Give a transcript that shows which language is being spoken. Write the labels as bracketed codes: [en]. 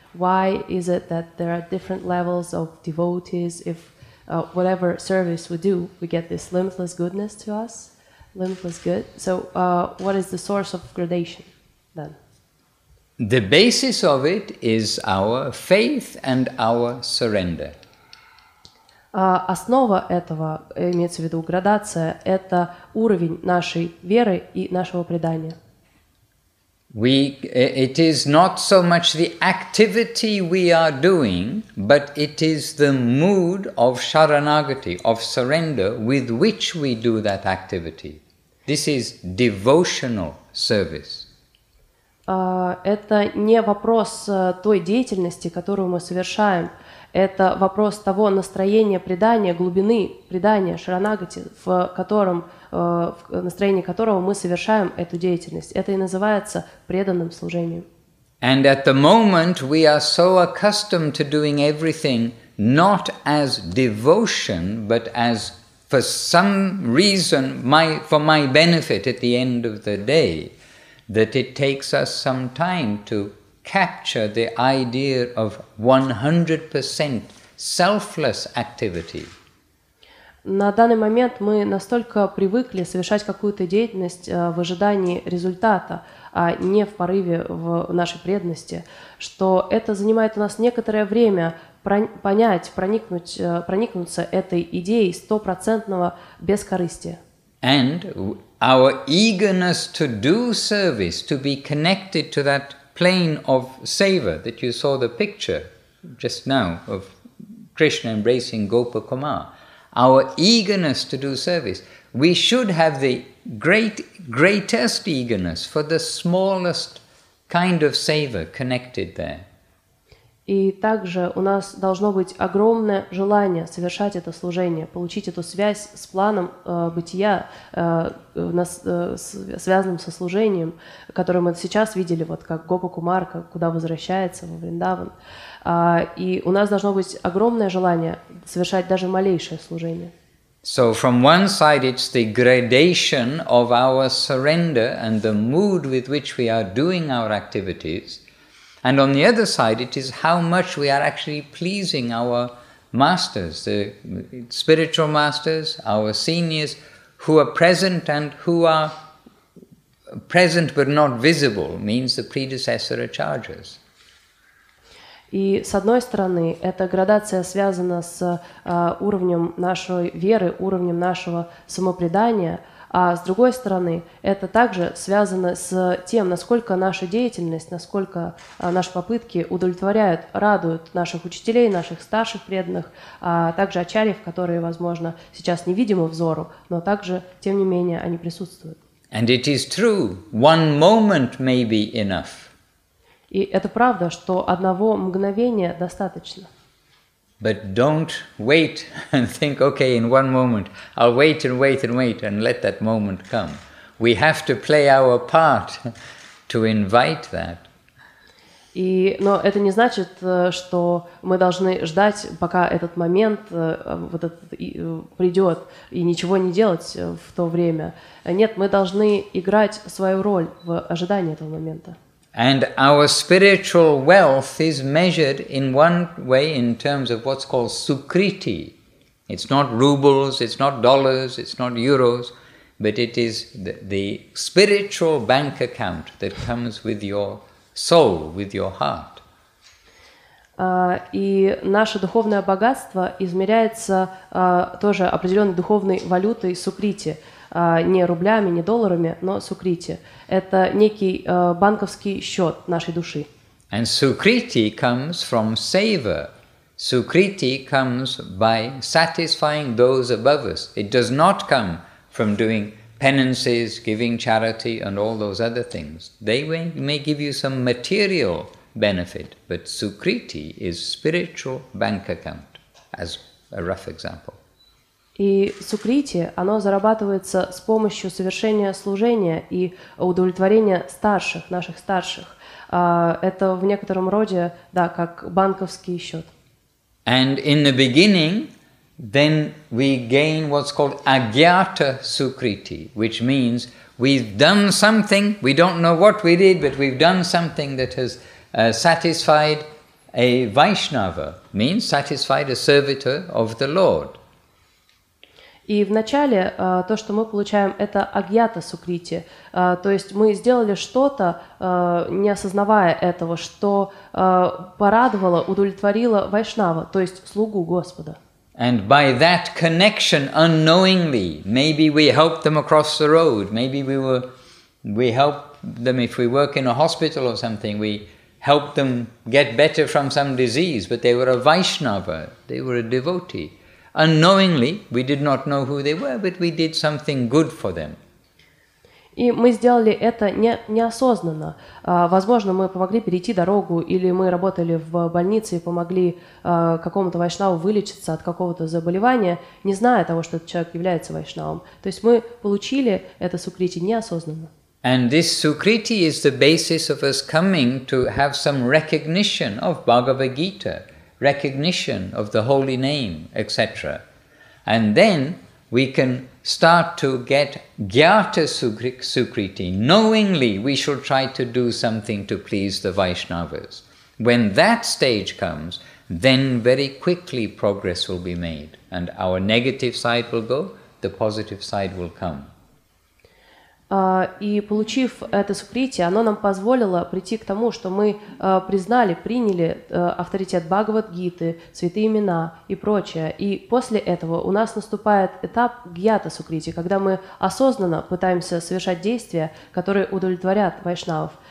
[en] Why is it that there are different levels of devotees? If whatever service we do, we get this limitless goodness to us? Limitless good. So what is the source of gradation then? The basis of it is our faith and our surrender. [ru] Основа этого, имеется в виду градация, это уровень нашей веры и нашего предания. [en] It is not so much the activity we are doing, but it is the mood of sharanagati, of surrender, with which we do that activity. This is devotional service. [ru] Это не вопрос той деятельности, которую мы совершаем. Это вопрос того настроения предания, глубины предания, шаранагати, в котором, в настроении которого мы совершаем эту деятельность. Это и называется преданным служением. [en] And at the moment we are so accustomed to doing everything not as devotion, but as for some reason, for my benefit at the end of the day, that it takes us some time to capture the idea of 100% selfless activity. [ru] На данный момент мы настолько привыкли совершать какую-то деятельность в ожидании результата, а не в порыве в нашей преданности, что это занимает у нас некоторое время понять, проникнуться этой идеей стопроцентного бескорыстия. [en] And our eagerness to do service, to be connected to that plane of seva that you saw the picture just now of Krishna embracing Gopa Kumar, our eagerness to do service, we should have the greatest eagerness for the smallest kind of seva connected there. [ru] И также у нас должно быть огромное желание совершать это служение, получить эту связь с планом бытия, связанным со служением, которое мы сейчас видели, вот как Гопа-Кумарка, куда возвращается во Вриндаван. И у нас должно быть огромное желание совершать даже малейшее служение. [en] So from one side it's the gradation of our surrender and the mood with which we are doing our activities, and on the other side it is how much we are actually pleasing our masters, the spiritual masters, our seniors, who are present and who are present but not visible, means the predecessor acharyas. [ru] И с одной стороны, эта градация связана с уровнем нашей веры, уровнем нашего самопредания, а с другой стороны, это также связано с тем, насколько наша деятельность, насколько наши попытки удовлетворяют, радуют наших учителей, наших старших преданных, а также ачарьев, которые, возможно, сейчас невидимы взору, но также, тем не менее, они присутствуют. [en] And it is true, one moment may be enough. [ru] И это правда, что одного мгновения достаточно. [en] But don't wait and think, okay, in one moment, I'll wait and wait and wait and let that moment come. We have to play our part to invite that. [ru] Но это не значит, что мы должны ждать, пока этот момент вот этот, придет, и ничего не делать в то время. Нет, мы должны играть свою роль в ожидании этого момента. [en] And our spiritual wealth is measured in one way in terms of what's called sukriti. It's not rubles, it's not dollars, it's not euros, but it is the spiritual bank account that comes with your soul, with your heart. [ru] И наше духовное богатство измеряется тоже определенной духовной валютой сукрити. Не рублями, не долларами, но сукрити. Это некий банковский счет нашей души. [en] And sukriti comes from seva. Sukriti comes by satisfying those above us. It does not come from doing penances, giving charity and all those other things. They may give you some material benefit, but sukriti is spiritual bank account, as a rough example. [ru] И сукрити, оно зарабатывается с помощью совершения служения и удовлетворения старших, наших старших. Это в некотором роде, да, как банковский счет. [en] And in the beginning, then we gain what's called agyata sukriti, which means we've done something, we don't know what we did, but we've done something that has satisfied a Vaishnava, means satisfied a servitor of the Lord. [ru] И вначале то, что мы получаем, это агьята сукрити. То есть мы сделали что-то, не осознавая этого, что порадовало, удовлетворило Вайшнава, то есть слугу Господа. [en] And by that connection, unknowingly, maybe we helped them across the road, maybe we helped them if we work in a hospital or something, we helped them get better from some disease, but they were a Vaishnava, they were a devotee. Unknowingly, we did not know who they were, but we did something good for them. [ru] И мы сделали это неосознанно. Возможно, мы помогли перейти дорогу, или мы работали в больнице и помогли какому-то вайшнаву вылечиться от какого-то заболевания, не зная того, что этот человек является вайшнавом. То есть мы получили это сукрити неосознанно. [en] And this sukriti is the basis of us coming to have some recognition of Bhagavad Gita. Recognition of the holy name, etc. And then we can start to get gyata sukriti. Knowingly, we shall try to do something to please the Vaishnavas. When that stage comes, then very quickly progress will be made, and our negative side will go, the positive side will come. [ru] И получив это сукрити, оно нам позволило прийти к тому, что мы признали, приняли авторитет Бхагавад-гиты, святые имена и прочее. И после этого у нас наступает этап гьята сукрити, когда мы осознанно пытаемся совершать действия, которые удовлетворят вайшнавов.